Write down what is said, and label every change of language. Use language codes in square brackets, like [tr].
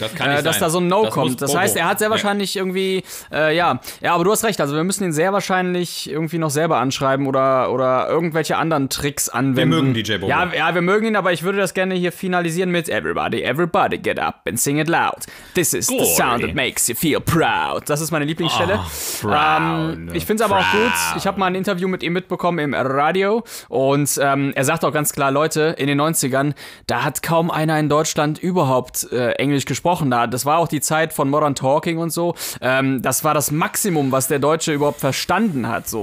[de] das kann nicht dass sein. Da so ein No das kommt. Das heißt, er hat sehr wahrscheinlich irgendwie, ja, aber du hast recht. Also wir müssen ihn sehr wahrscheinlich irgendwie noch selber anschreiben oder irgendwelche anderen Tricks anwenden. Wir mögen DJ Bobo. Ja, wir mögen ihn, aber ich würde das gerne hier finalisieren mit [en] Everybody get up and sing it loud. This is Glory. The sound that makes you feel proud. [de] Das ist meine Lieblingsstelle. Oh, proud, ich finde es aber auch gut. Ich habe mal ein Interview mit ihm mitbekommen im Radio und er sagt auch ganz klar, Leute, in den 90ern, da hat kaum einer in Deutschland überhaupt Englisch gesprochen. Das war auch die Zeit von Modern Talking und so. Das war das Maximum, was der Deutsche überhaupt verstanden hat. So.